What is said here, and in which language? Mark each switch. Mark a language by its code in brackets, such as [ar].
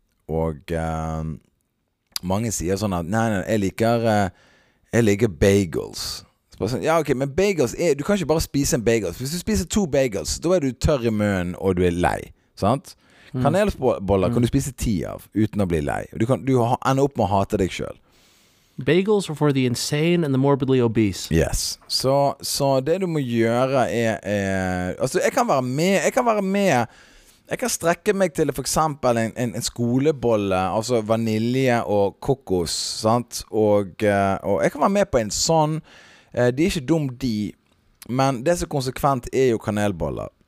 [no] Og mange sier sånn at nei, jeg liker bagels. Så bare sånn, ja, ok, men bagels er, du kan ikke bare spise en bagels. Hvis du spiser to bagels, da er du tørr i munnen og du er lei, sant? Kanelboller kan du spise 10 av uten å bli lei. Du ender opp med å hate deg selv. [en] Bagels are for the insane and the morbidly obese. Yes. [no] Så det du må gjøre altså, jeg kan strekke meg til for eksempel en skolebolle, altså vanilje og kokos, sant? Og jeg kan være med på en sånn. De er ikke dum de, men det som er konsekvent er jo kanelboller.